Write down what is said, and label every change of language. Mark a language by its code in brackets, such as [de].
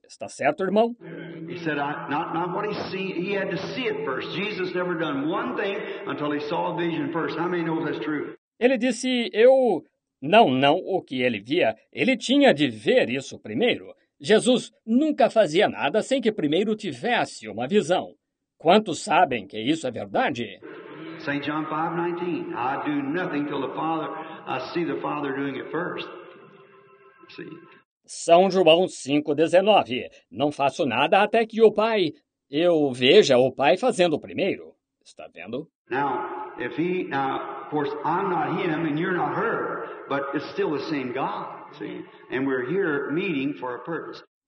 [pt] Está certo, irmão? [en] He said, not what he see. He had to see it first. Jesus never done one thing until he saw a vision first. How many know that's true? [pt] Ele disse, não, o que ele via. Ele tinha de ver isso primeiro. Jesus nunca fazia nada sem que primeiro tivesse uma visão. Quantos sabem que isso é verdade? [en] St. John 5:19. I do nothing till the Father, I see the Father doing it first. [pt] São João 5:19. Não faço nada até que o Pai eu veja o Pai fazendo primeiro. Está vendo? [en] Now, if he now, of course, I'm not him and you're not her, but it's still the same God. See, and we're here meeting for a purpose.